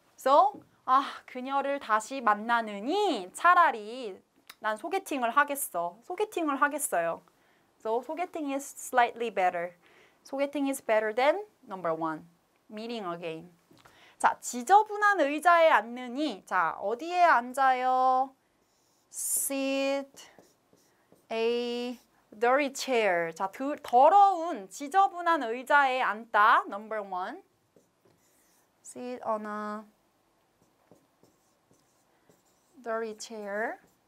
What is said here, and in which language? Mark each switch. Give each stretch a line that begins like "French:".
Korean: So, 아, 그녀를 다시 만나느니 차라리 난 소개팅을 하겠어. 소개팅을 하겠어요.
English: So, 소개팅 is slightly better. 소개팅 is better than number one, meeting again.
Korean: 자, 지저분한 의자에 앉느니, 자, 어디에 앉아요?
English: Sit a dirty chair.
Korean: 자, 더러운 지저분한 의자에 앉다, number one.
English: Sit on a dirty chair.